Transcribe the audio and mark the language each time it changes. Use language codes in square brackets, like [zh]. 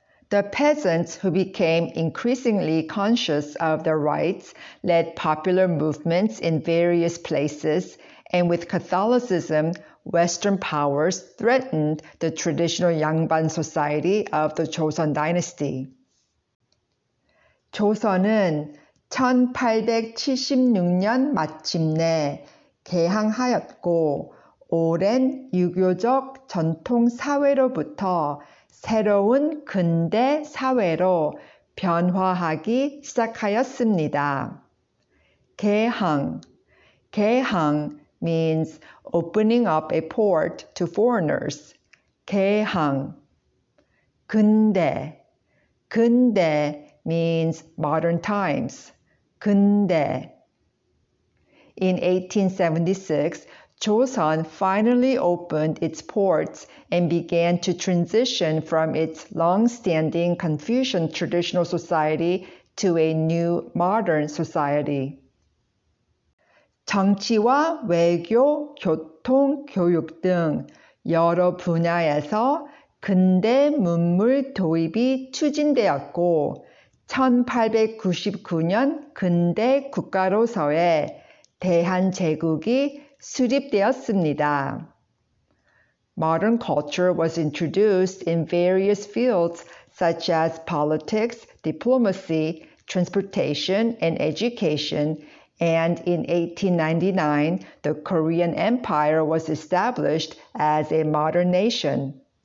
[en] The peasants who became increasingly conscious of their rights led popular movements in various places, and with Catholicism, Western powers threatened the traditional Yangban society of the Joseon dynasty. [ko] 조선은 1876년 마침내 개항하였고 오랜 유교적 전통 사회로부터 새로운 근대 사회로 변화하기 시작하였습니다. 개항. [en] 개항 means opening up a port to foreigners. [ko] 개항. 근대. 근대 [en] means modern times. [ko] 근대. [en] In 1876, Joseon finally opened its ports and began to transition from its long-standing Confucian traditional society to a new modern society. [ko] 정치와 외교, 교통, 교육 등 여러 분야에서 근대 문물 도입이 추진되었고, 1899년 근대 국가로서의 대한제국이 수립되었습니다. [en] Modern culture was introduced in various fields such as politics, diplomacy, transportation, and education, and in 1899, the Korean Empire was established as a modern nation.